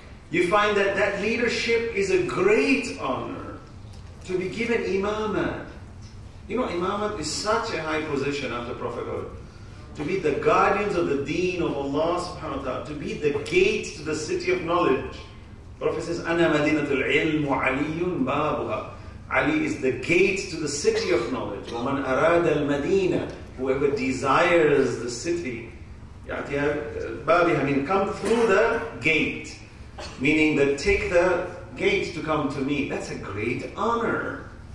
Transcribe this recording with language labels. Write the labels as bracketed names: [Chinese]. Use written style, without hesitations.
[English] You find that leadership is a great honor to be given imamah. You know, imamah is such a high position after prophethood. To be the guardians of the deen of Allah subhanahu wa ta'ala, to be the gate to the city of knowledge. Prophet says, [Arabic] أَنَا مَدِينَةُ الْعِلْمُ عَلِيٌّ بَابُهَا. [English] Ali is the gate to the city of knowledge. [Arabic] وَمَنْ أَرَادَ الْمَدِينَةِ. [English] Whoever desires the city, [Arabic] يَعْتِيَا بَابِهَا, [English] I mean, come through the gate. Meaning that take the gate to come to me. That's a great honor.